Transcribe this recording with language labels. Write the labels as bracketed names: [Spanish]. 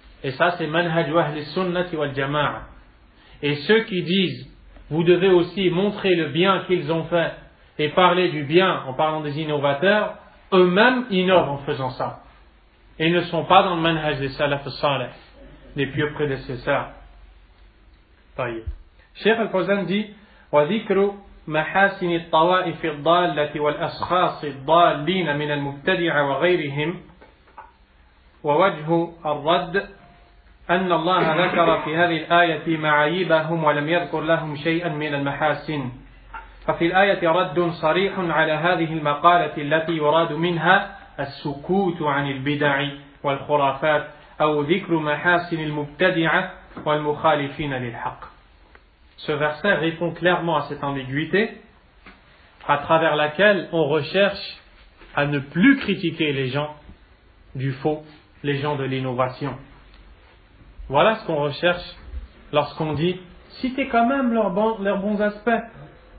[French] Et ça, c'est manhaj wa ahli sunnati wal jama'a. Et ceux qui disent, vous devez aussi montrer le bien qu'ils ont fait et parler du bien en parlant des innovateurs, eux-mêmes innovent en faisant ça. Et ne sont pas dans le manhaj des salaf salaf, des pieux prédécesseurs. Cheikh Al-Fawzan dit [Arabic] وذكر محاسن الطوائف الضالة والأشخاص الضالين من المبتدع وغيرهم ووجه الرد أن الله ذكر في هذه الآية معايبهم ولم يذكر لهم شيئا من المحاسن ففي الآية رد صريح على هذه المقالة التي يراد منها السكوت عن البدع والخرافات أو ذكر محاسن المبتدع والمخالفين للحق. [French] Ce verset répond clairement à cette ambiguïté à travers laquelle on recherche à ne plus critiquer les gens du faux, les gens de l'innovation. Voilà ce qu'on recherche lorsqu'on dit « citez quand même leurs bons aspects ».